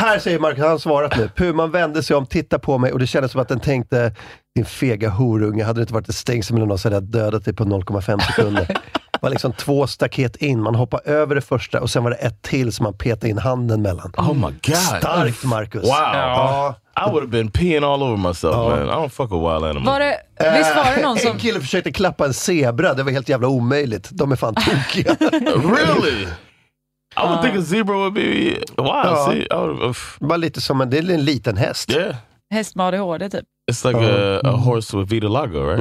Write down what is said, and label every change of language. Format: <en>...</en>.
<sv>här säger Marcus, han har svarat nu. Puman vände sig om, tittade på mig och det kändes som att den tänkte, din fega horunge, hade det inte varit ett stängsel mellan oss, hade jag dödat dig på 0,5 sekunder. Det var liksom två staket in. Man hoppar över det första och sen var det ett till som man petade in handen mellan.</sv> <en>Oh my god.</en> <sv>Starkt, Marcus.</sv> <en>Wow. Yeah. I would have been peeing all over myself, man. I don't fuck a wild animal.</en> <sv>Var det någon som... En kille försökte klappa en zebra. Det var helt jävla omöjligt. De är fan tokiga.</sv> <en>Really? I would think a zebra would be... Wow, see?</en> <sv>Bara lite som en liten häst.</sv> <en>Yeah.</en> <sv>Häst med ADHD, typ.</sv> <en>It's like a horse with vitiligo, right?</en>